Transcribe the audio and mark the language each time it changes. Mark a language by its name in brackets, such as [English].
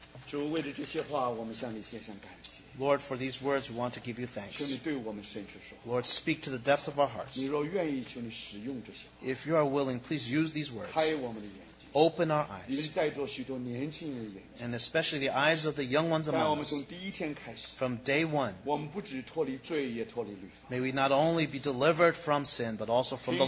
[Chinese] 主为了这些话，我们向你献上感谢。 [English] Lord, for these words, we want to give you thanks. [Chinese] 求你对我们深处说话。 [English] Lord, speak to the depths of our hearts. [Chinese] 你若愿意，求你使用这些话。 [English] If you are willing, please use these words. [Chinese] 开我们的眼睛。 [English] Open our eyes. [Chinese] 你们在座许多年轻人的眼睛。 [English] And especially the eyes of the young ones among us. [Chinese] 让我们从第一天开始。 [English] From day one. [Chinese] 我们不止脱离罪，也脱离律法。 [English] May we not only be delivered from sin, but also from the law.